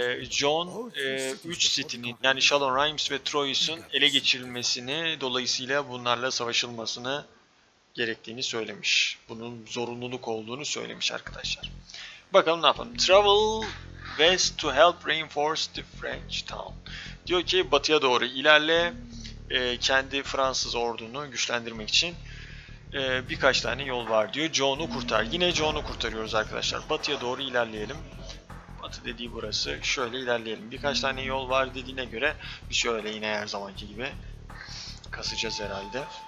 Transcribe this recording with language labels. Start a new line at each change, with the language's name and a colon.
Turkish: John 3 city'nin yani Chalon, Reims ve Troyes'in ele geçirilmesini, dolayısıyla bunlarla savaşılmasını gerektiğini söylemiş. Bunun zorunluluk olduğunu söylemiş arkadaşlar. Bakalım ne yapalım.
English: Travel west to help reinforce the French town.
Turkish: Diyor ki batıya doğru ilerle kendi Fransız ordunu güçlendirmek için birkaç tane yol var diyor. John'u kurtar. Yine John'u kurtarıyoruz arkadaşlar. Batıya doğru ilerleyelim. Batı dediği burası. Şöyle ilerleyelim. Birkaç tane yol var dediğine göre bir şöyle yine her zamanki gibi kasacağız herhalde.